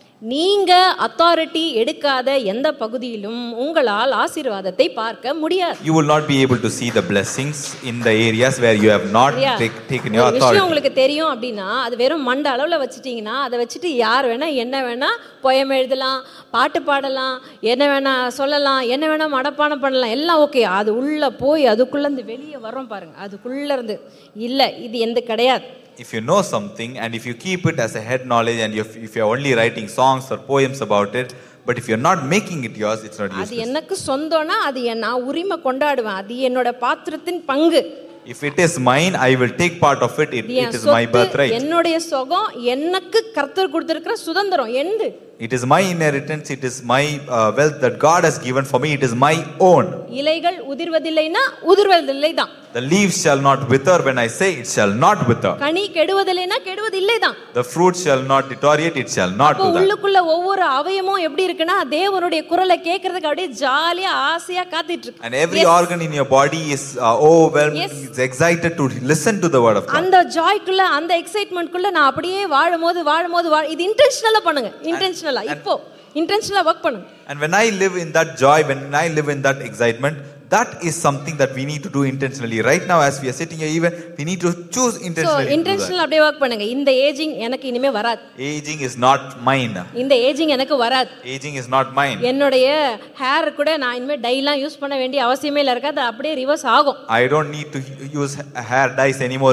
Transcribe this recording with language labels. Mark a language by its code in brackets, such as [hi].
[ta] நீங்க அத்தாரிட்டி எடுக்காத எந்த பகுதியிலும் உங்களால் ஆசீர்வாதத்தை பார்க்க முடியாது. [en] You will not be able to see the blessings in the areas where you have not taken your authority. [ta] விஷயம் உங்களுக்கு தெரியும் அப்படினா அது வெறும் மண்ட அளவுல வச்சிட்டீங்கனா அதை வச்சிட்டு யார் வேணா என்ன வேணா poem எழுதலாம், பாட்டு பாடலாம், என்ன வேணா சொல்லலாம், என்ன வேணா மடப்பானம் பண்ணலாம், எல்லாம் ஓகே. அது உள்ள போய் அதுக்குள்ள இருந்து வெளியே வரோம் பாருங்க. அதுக்குள்ள இருந்து இல்ல இது எந்த கிடையாது. [en] If you know something and if you keep it as a head knowledge and if you are only writing songs or poems about it, but if you are not making it yours, it's not useless. [ta] அது எனக்கு சொந்தம்னா அது நான் உரிமை கொண்டாடுவேன். அது என்னோட பாத்திரத்தின் பங்கு. [en] If it is mine, I will take part of it. It is my birthright. [ta] என்னோட சொகம் எனக்கு கர்த்தர் கொடுத்திருக்கிற சுதந்திரம் எந்து. [en] It is my inheritance. It is my wealth that God has given for me. It is my own. [ta] இலைகள் உதிர்வதில்லைனா உதிர்வதில்லைதான். [en] The leaves shall not wither when I say it shall not wither. [ta] Ghani கெடுவதில்லைனா கெடுவதில்லைதான். [en] The fruit shall not deteriorate. It shall not wither. [ta] உள்ளுக்குள்ள ஒவ்வொரு அவயமும் எப்படி இருக்குனா தேவனுடைய குரலை கேக்குறதுக்கு அப்படியே ஜாலியா ஆசையா காத்துட்டு இருக்கு. [en] And every organ in your body is overwhelmed, excited to listen to the word of God. [ta] அந்த ஜாய்க்குள்ள அந்த எக்ஸைட்மென்ட்க்குள்ள நான் அப்படியே வாழும்போது இது இன்டென்ஷனலா பண்ணுங்க. இன்டென்ஷன் இப்போ இன்டென்ஷனலா வர்க் பண்ணு. [en] And when I live in that joy, when I live in that excitement, that is something that we need to do intentionally. Right now as we are sitting here, even we need to choose intentionally. So intentionally [ta] அப்படியே work பண்ணுங்க. இந்த ageing எனக்கு இனிமே வராது. [en] Aging is not mine. [ta] இந்த ageing எனக்கு வராது. [en] Aging is not mine. [ta] என்னுடைய ஹேர் கூட நான் இனிமே டைலாம் யூஸ் பண்ண வேண்டிய அவசியமே இல்ல. அது அப்படியே ரிவர்ஸ் ஆகும். [en] I don't need to use hair dyes anymore.